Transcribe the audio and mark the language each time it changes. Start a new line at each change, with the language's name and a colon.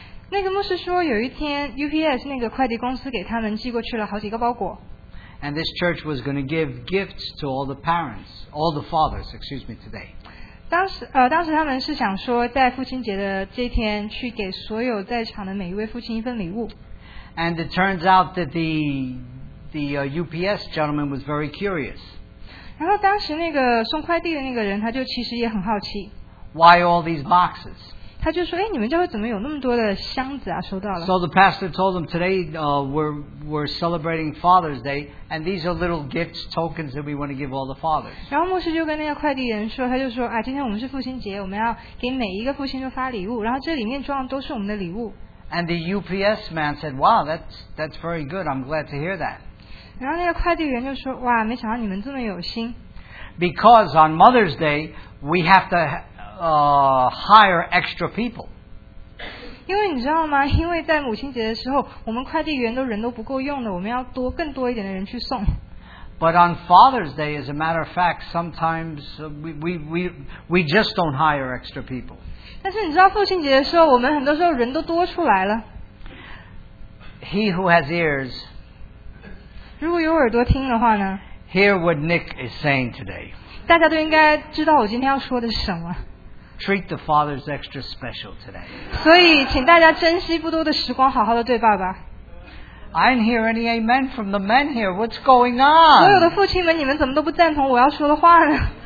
Chinese: 那个牧师说，有一天 UPS 那个快递公司给他们寄过去了好几个包裹。
English: And this church was going to give gifts to all the parents, all the fathers, excuse me, today.
Chinese: 当时他们是想说，在父亲节的这天去给所有在场的每一位父亲一份礼物。
English: And it turns out that the UPS gentleman was very curious.
Chinese: 然后当时那个送快递的那个人，他就其实也很好奇。
English: Why all these boxes?
Chinese: 他就说，哎，你们教会怎么有那么多的箱子啊？收到了。
English: So the pastor told them today, we're celebrating Father's Day, and these are little gifts, tokens that we want to give all the fathers.
Chinese: 然后牧师就跟那个快递人说，他就说，啊，今天我们是父亲节，我们要给每一个父亲都发礼物，然后这里面装的都是我们的礼物。
English: And the UPS man said, "Wow, that's very good. I'm glad to hear that."
Chinese: 然后那个快递员就说，哇，没想到你们这么有心。
English: Because on Mother's Day, we have to hire extra people.
Chinese: 因为你知道吗？因为在母亲节的时候，我们快递员都人都不够用的，我们要多更多一点的人去送。
English: But on Father's Day, as a matter of fact, sometimes we just don't hire extra people.
Chinese: 但是你知道父亲节的时候，我们很多时候人都多出来了。
English: He who has ears,
Chinese: 如果有耳朵听的话呢？
English: Hear what Nick is saying today.
Chinese: 大家都应该知道我今天要说的是什么。
English: Treat the fathers extra special today.
Chinese: 所以请大家珍惜不多的时光，好好的对爸爸。
English: I didn't hear any amen from the men here. What's going on?
Chinese: 所有的父亲们，你们怎么都不赞同我要说的话呢？